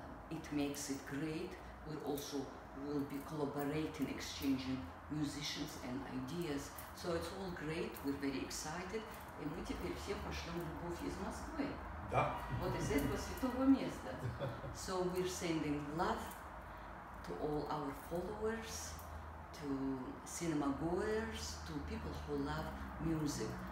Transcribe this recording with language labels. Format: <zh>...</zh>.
<en>It makes it great. We also will be collaborating, exchanging musicians and ideas. So it's all great. We're very excited.</en> <ru>И мы теперь все пошлем любовь из Москвы. Да. Вот из этого святого места.</ru> <en>So we're sending love to all our followers, to cinema goers, to people who love music.</en>